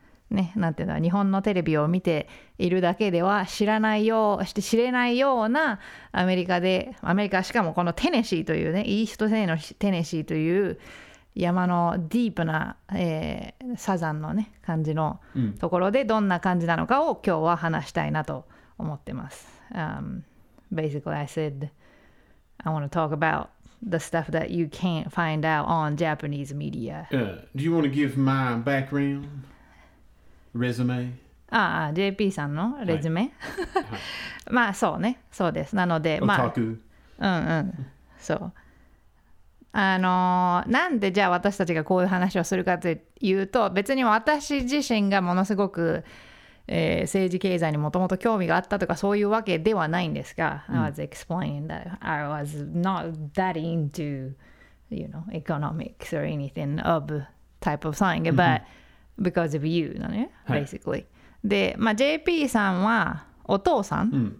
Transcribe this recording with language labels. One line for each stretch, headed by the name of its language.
Japanese: ね、なんていうの、日本のテレビを見ているだけでは知らないよう、して知れないようなアメリカで、アメリカしかもこのテネシーというね、イースト星のテネシーという山のディープな、サザンのね感じのところでどんな感じなのかを今日は話したいなと思ってます。
English: Basically, I said I want to talk about the stuff that you can't find out on Japanese media. Do you want to give my background? Resume?
Japanese: ああ、JP さんのレズメ、はい、まあそうね、そうです。なので、まあ、
English: Otaku.
Japanese: うんうん、そう。なんでじゃあ私たちがこういう話をするかというと、別に私自身がものすごく、政治経済にもともと興味があったとかそういうわけではないんですが、うん、
English: I was explaining that I was not that into, you know, economics or anything of type of thing, but because of you, basically.、
Japanese: はい、で、まあ、JP さんはお父さん、